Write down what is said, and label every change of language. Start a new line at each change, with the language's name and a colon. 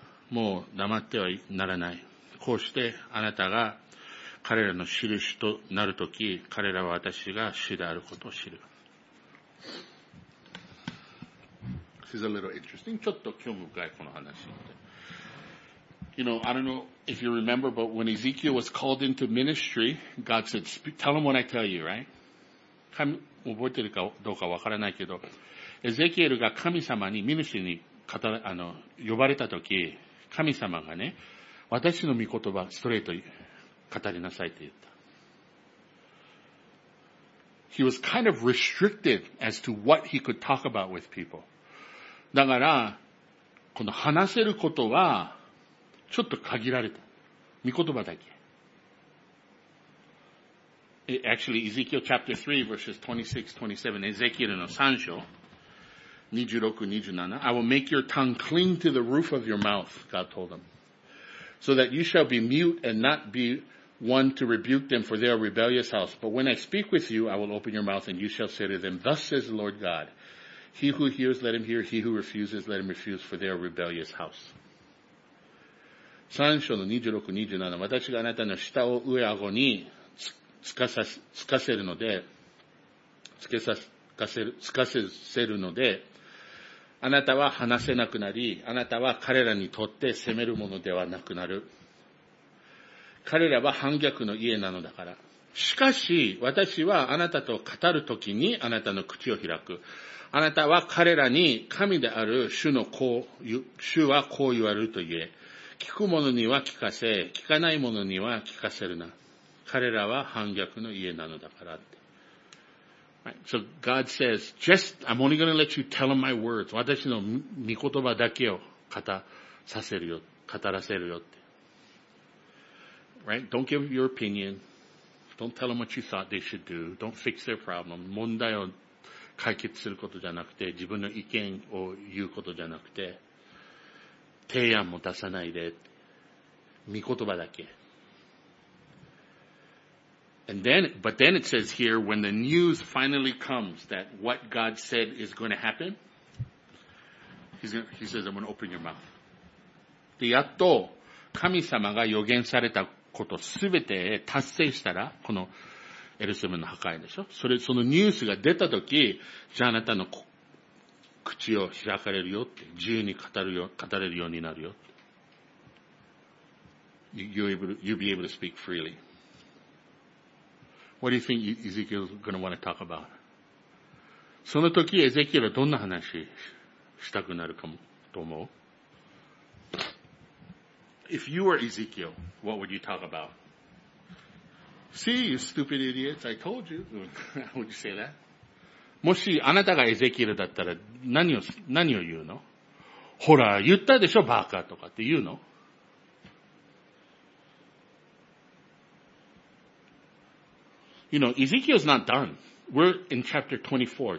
Japanese: もう黙ってはならない。こうしてあなたが彼らの印となるとき、彼らは私が主であることを知る。
English: This is a little interesting.
Japanese: ちょっと興味深いこの話。
English: You know, I don't know if you remember, but when Ezekiel was called into ministry, God said, tell him what I tell you, right?
Japanese: 神、覚えてるかどうかわからないけど、エゼキエルが神様に、ミニシュに語ら、あの、呼ばれたとき、神様がね、私の御言葉、ストレート語りなさいと言った。
English: He was kind of restricted as to what he could talk about with people.
Japanese: だから、この話せることは、ちょっと限られた。御言葉だけ。
English: Actually, Ezekiel chapter 3 verses 26, 27, Ezekiel
Japanese: の3章、26, 27,
English: I will make your tongue cling to the roof of your mouth, God told him. So that you shall be mute and not be one to rebuke them, for they are a rebellious house. But when I speak with you, I will open your mouth, and you shall say to them, Thus says the Lord God, He who hears, let him hear, he who refuses, let him refuse, for they are a rebellious house.
Japanese: 3章の26、27、私があなたの舌を上顎につかせるので、あなたは話せなくなり、あなたは彼らにとって責めるものではなくなる。彼らは反逆の家なのだから。しかし、私はあなたと語るときにあなたの口を開く。あなたは彼らに神である主のこう、主はこう言われると言え。聞く者には聞かせ、聞かない者には聞かせるな。彼らは反逆の家なのだから。
English: Right. So God says, just, I'm only going to let you tell him my words.
Japanese: 私の御言葉だけを語させるよ、語らせるよって。
English: Right? Don't give your opinion. Don't tell them what you thought they should do. Don't fix their problem.
Japanese: 問題を解決することじゃなくて、自分の意見を言うことじゃなくて、提案も出さないで、御言葉だけ。
English: But then it says here, when the news finally comes that what God said is going to happen, he says, I'm going to open your mouth.
Japanese: で、やっと神様が予言されたことすべて達成したら、このエルサレムの破壊でしょ。それ、そのニュースが出たとき、じゃああなたの口を開かれるよって、自由に語れるようになるよって。
English: You'll be able to speak freely. What do you think Ezekiel is going to want to talk about?
Japanese: その時、エゼキエルはどんな話したくなるかも、と思う
English: ?If you were Ezekiel, what would you talk about? See, you stupid idiots, I told you. How would you say that?
Japanese: もしあなたがエゼキエルだったら何を言うの？ほら言ったでしょバーカーとかって言うの？
English: You know, Ezekiel's not done. We're in chapter 24.